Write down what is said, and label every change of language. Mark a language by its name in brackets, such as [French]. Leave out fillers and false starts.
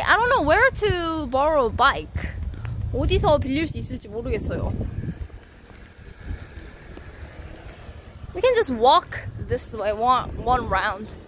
[English] I don't know where to borrow a bike. [Korean] 어디서 빌릴 수 있을지 모르겠어요. [English] We can just walk this way one round.